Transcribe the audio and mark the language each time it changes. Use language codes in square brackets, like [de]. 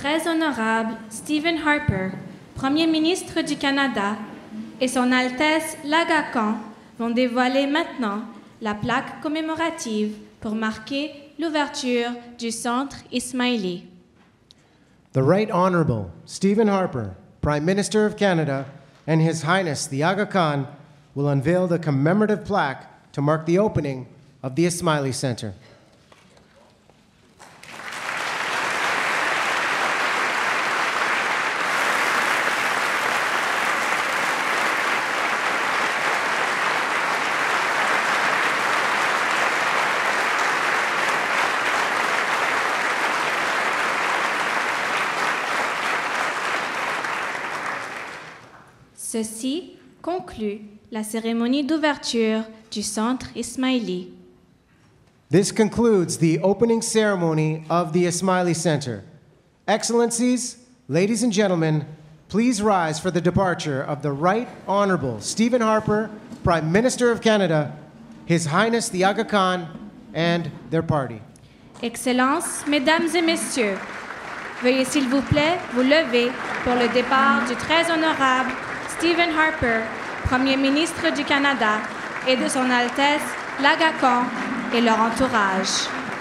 [fr] Honorable Stephen Harper, Premier ministre du Canada, et Son Altesse l'Aga Khan vont dévoiler maintenant la plaque commémorative pour marquer l'ouverture du Centre Ismaili. [en] The Right Honorable Stephen Harper, Prime Minister of Canada, and His Highness the Aga Khan will unveil the commemorative plaque to mark the opening of the Ismaili Centre. [fr] Ceci conclut la cérémonie d'ouverture du Centre Ismaili. [en] This concludes the opening ceremony of the Ismaili Center. Excellencies, ladies and gentlemen, please rise for the departure of the Right Honorable Stephen Harper, Prime Minister of Canada, His Highness the Aga Khan, and their party. [fr] Excellences, mesdames et messieurs, Veuillez s'il vous plaît vous lever pour le départ du très honorable Stephen Harper, Premier ministre du Canada, et de Son Altesse Lagacon et leur entourage.